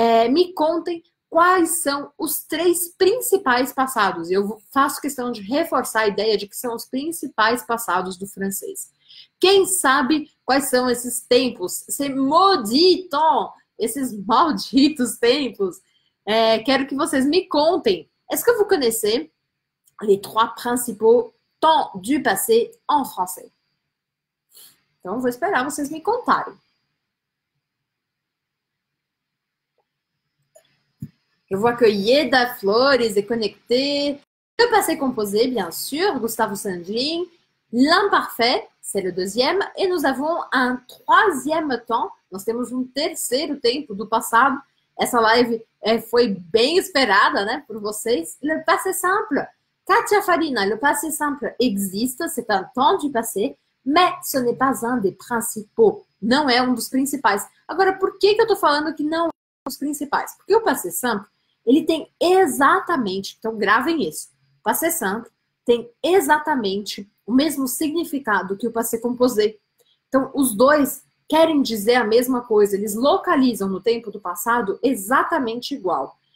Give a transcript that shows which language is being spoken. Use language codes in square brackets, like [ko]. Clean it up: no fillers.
[pt] Me contem quais são os três principais passados. Eu faço questão de reforçar a ideia de que são os principais passados do francês. Quem sabe quais são esses tempos, esses malditos tempos. Quero que vocês me contem. [fr] Est-ce que vous connaissez les trois principaux temps du passé en français? [pt] Então, vou esperar vocês me contarem. Eu vou acolher da Flores e conectar. [fr] Le passé composé, bien sûr, Gustavo Sandin. L'imparfait, c'est le deuxième. Et nous avons un troisième temps. [pt] Nós temos um terceiro tempo do passado. Essa live foi bem esperada, né, por vocês. [fr] Le passé simple. Katia Farina, le passé simple existe, c'est un temps du passé, mais ce n'est pas un des principaux. [pt] Não é um dos principais. Agora, por que que eu estou falando que não é um dos principais? Porque o passé simple, ele tem exatamente, então gravem isso, o passé simple tem exatamente o mesmo significado que o passé composé. Então, os dois querem dizer a mesma coisa, eles localizam no tempo do passado exatamente igual.